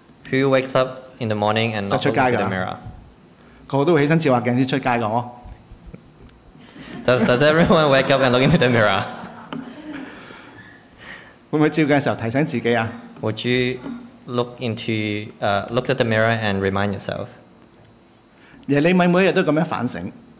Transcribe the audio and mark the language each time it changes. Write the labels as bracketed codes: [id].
[en] ？Who wakes up in the morning and not look into the mirror？ [yue] 個個都會起身照下鏡先出街㗎，我。 [en] Does everyone wake up and look into the mirror？ [yue] 會唔會照鏡嘅時候提醒自己啊 [en] ？Would you look at the mirror and remind yourself？ [yue] 耶利米每一日都咁樣反省。